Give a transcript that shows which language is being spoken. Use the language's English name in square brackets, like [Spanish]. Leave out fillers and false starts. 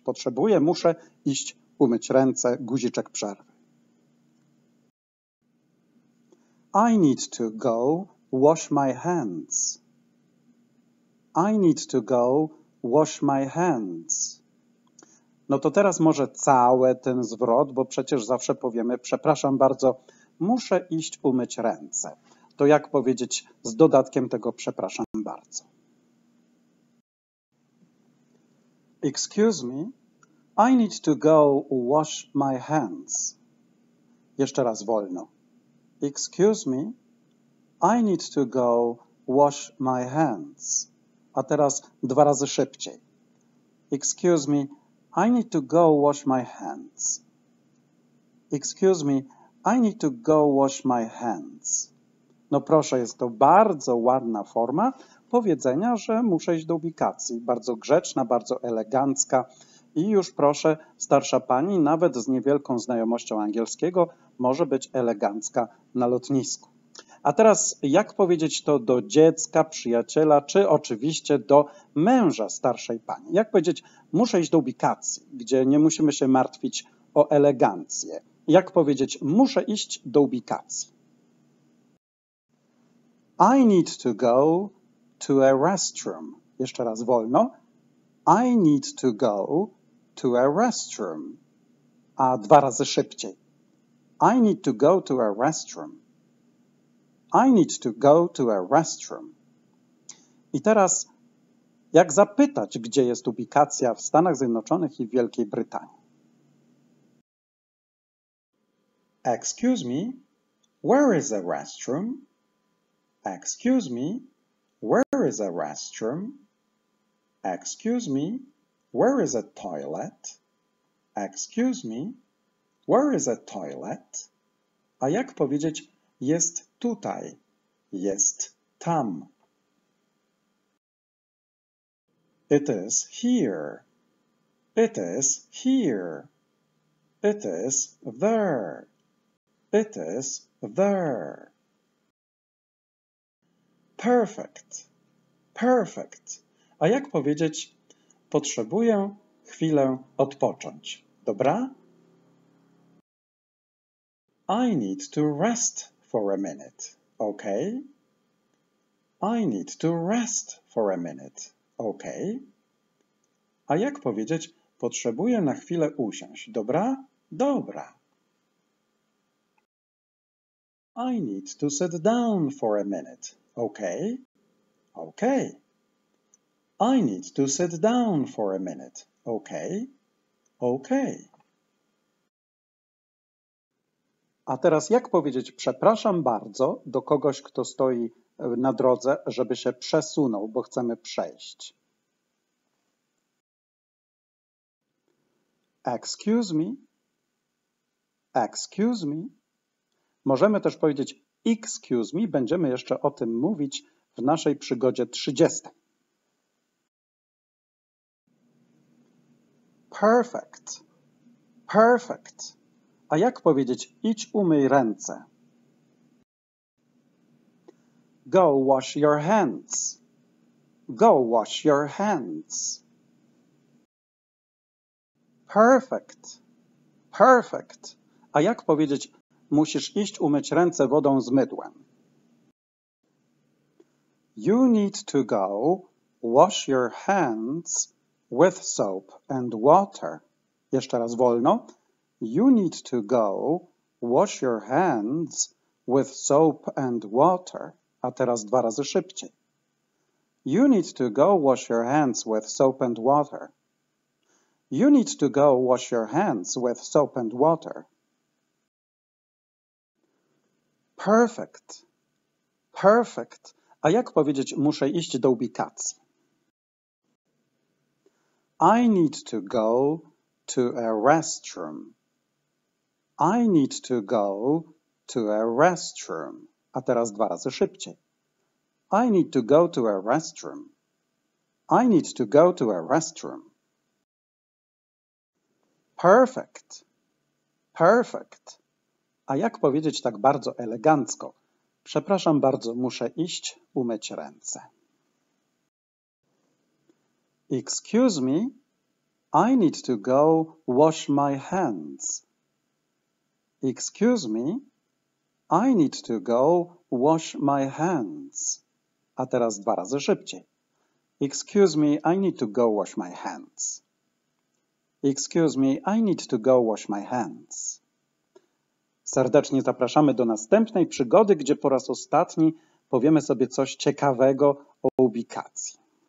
[Polish] Potrzebuję, muszę iść umyć ręce, guziczek przerwy. [English] I need to go wash my hands. I need to go wash my hands. [Polish] No to teraz może cały ten zwrot, bo przecież zawsze powiemy, przepraszam bardzo, muszę iść umyć ręce. To jak powiedzieć z dodatkiem tego przepraszam bardzo? [English] Excuse me, I need to go wash my hands. [Polish] Jeszcze raz wolno. [English] Excuse me, I need to go wash my hands. [Polish] A teraz dwa razy szybciej. [English] Excuse me, I need to go wash my hands. Excuse me, I need to go wash my hands. [Polish] No proszę, jest to bardzo ładna forma powiedzenia, że muszę iść do ubikacji. Bardzo grzeczna, bardzo elegancka. I już proszę, starsza pani, nawet z niewielką znajomością angielskiego, może być elegancka na lotnisku. A teraz jak powiedzieć to do dziecka, przyjaciela, czy oczywiście do męża starszej pani? Jak powiedzieć, muszę iść do ubikacji, gdzie nie musimy się martwić o elegancję? Jak powiedzieć, muszę iść do ubikacji? [English] I need to go to a restroom. [Polish] Jeszcze raz wolno. [English] I need to go to a restroom. [Polish] A dwa razy szybciej. [English] I need to go to a restroom. I need to go to a restroom. [Polish] I teraz jak zapytać, gdzie jest ubikacja w Stanach Zjednoczonych i w Wielkiej Brytanii? [English] Excuse me, where is a restroom? Excuse me, where is a restroom? Excuse me, where is a toilet? Excuse me, where is a toilet? [Polish] A jak powiedzieć jest tutaj, jest tam? [English] It is here. It is here. It is there. It is there. Perfect. Perfect. [Polish] A jak powiedzieć, potrzebuję chwilę odpocząć, dobra? [English] I need to rest for a minute, okay? I need to rest for a minute, okay? [Polish] A jak powiedzieć, potrzebuję na chwilę usiąść, dobra? Dobra. [English] I need to sit down for a minute. Okay. Okay. I need to sit down for a minute. Okay. Okay. [Polish] A teraz jak powiedzieć przepraszam bardzo do kogoś, kto stoi na drodze, żeby się przesunął, bo chcemy przejść? [English] Excuse me. Excuse me. [Polish] Możemy też powiedzieć [English] excuse me. [Polish] Będziemy jeszcze o tym mówić w naszej przygodzie 30. [English] Perfect. Perfect. [Polish] A jak powiedzieć idź umyj ręce? [English] Go wash your hands. Go wash your hands. Perfect. Perfect. [Polish] A jak powiedzieć musisz iść umyć ręce wodą z mydłem? [English] You need to go wash your hands with soap and water. [Polish] Jeszcze raz wolno. [English] You need to go wash your hands with soap and water. [Polish] A teraz dwa razy szybciej. [English] You need to go wash your hands with soap and water. You need to go wash your hands with soap and water. Perfect. Perfect. [Polish] A jak powiedzieć muszę iść do ubikacji? [English] I need to go to a restroom. I need to go to a restroom. [Polish] A teraz dwa razy szybciej. [English] I need to go to a restroom. I need to go to a restroom. Perfect. Perfect. [Polish] A jak powiedzieć tak bardzo elegancko? Przepraszam bardzo, muszę iść umyć ręce. [English] Excuse me, I need to go wash my hands. Excuse me, I need to go wash my hands. [Polish] A teraz dwa razy szybciej. [English] Excuse me, I need to go wash my hands. Excuse me, I need to go wash my hands. [Polish] Serdecznie zapraszamy do następnej przygody, gdzie po raz ostatni powiemy sobie coś ciekawego o ubikacji.